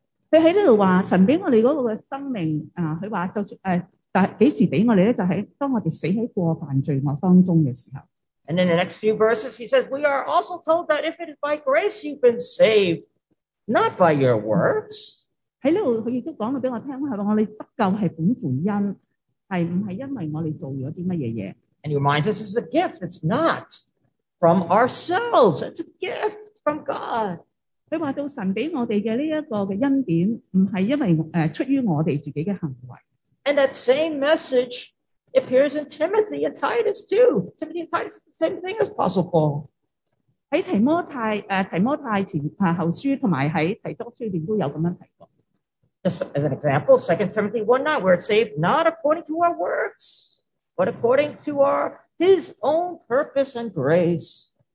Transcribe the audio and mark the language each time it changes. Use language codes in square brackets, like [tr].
[zh] 他在这里说神给我们那个生命，他说就几时给我们呢，就是当我们死在过犯罪恶当中的时候。 [en] And in the next few verses, he says, we are also told that if it is by grace you've been saved, not by your works. [zh] 在这里他也讲了给我听，我们得救是本乎恩，是不是因为我们做了什么东西。 [en] And he reminds us it's a gift. It's not from ourselves. It's a gift from God. [zh] 他说到神给我们的这个恩典不是因为出于我们自己的行为。 [en] And that same message appears in Timothy and Titus too. Timothy and Titus, the same thing as Apostle Paul. [zh] 在提摩太前后书和在提督书里都有这样提过。 [en] Just as an example, 2 Timothy 1:9, we're saved not according to our works, but according to his own purpose and grace.